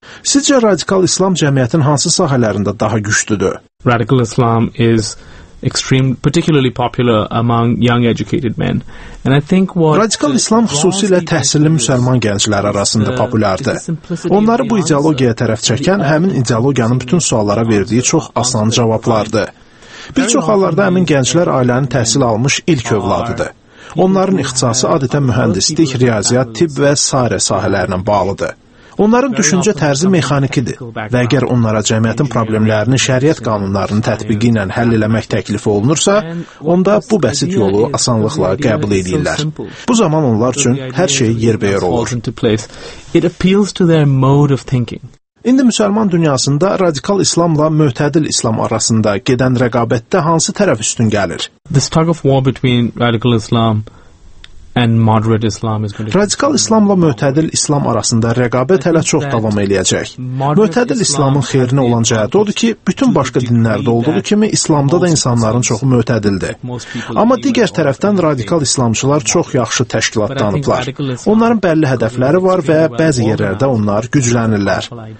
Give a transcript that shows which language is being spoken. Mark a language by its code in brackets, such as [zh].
[az] Sizcə radikal İslam cəmiyyətin hansı sahələrində daha güclüdür? [en] Radical Islam is extreme, particularly popular among young educated men. And I think what [az] radikal İslam xüsusilə təhsilli müsəlman gənclər arasında populyardır. Onları bu ideologiyaya tərəf çəkən həmin ideologiyanın bütün suallara verdiyi çox asan cavablardır. Bir çox hallarda həmin gənclər ailənin təhsil almış ilk övladıdır. Onların ixtisası adətən mühəndislik, riyaziyyat, tibb və s. sahələrlə bağlıdır. Onların düşüncə tərzi mexanikidir və əgər onlara cəmiyyətin problemlərini şəriət qanunlarının tətbiqi ilə həll eləmək təklifi olunursa, onda bu bəsit yolu asanlıqla qəbul edirlər. Bu zaman onlar üçün hər şey yerbəyər olur. İndi müsəlman dünyasında radikal İslamla möhtədil İslam arasında gedən rəqabətdə hansı tərəf üstün gəlir? [en] The struggle of war between radical Islam and moderate Islam is going to [az] radikal İslamla möhtədil İslam arasında rəqabət hələ çox davam eləyəcək. Möhtədil İslamın xeyrinə olan cəhəti odur ki, bütün başqa dinlərdə olduğu kimi İslamda da insanların çoxu möhtədildir. Amma digər tərəfdən radikal İslamçılar çox yaxşı təşkilatlanıblar. Onların bəlli hədəfləri var və bəzi yerlərdə onlar güclənirlər.